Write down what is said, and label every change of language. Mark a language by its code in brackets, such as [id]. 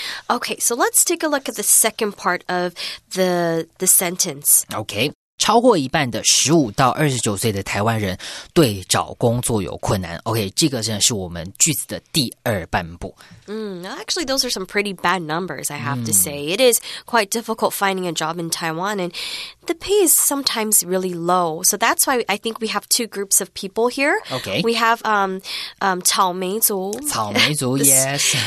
[en] Okay, so let's take a look at the second part of the sentence. [zh] Okay, 超过一半的15到29岁的台湾人对找工作有困难。 Okay, 这个真的是我们句子的第二半部。 [en] Actually, those are some pretty bad numbers, I have to say. It is quite difficult finding a job in Taiwan, and the pay is sometimes really low. So that's why I think we have two groups of people here. Okay. We have 草莓族. 草莓族, yes.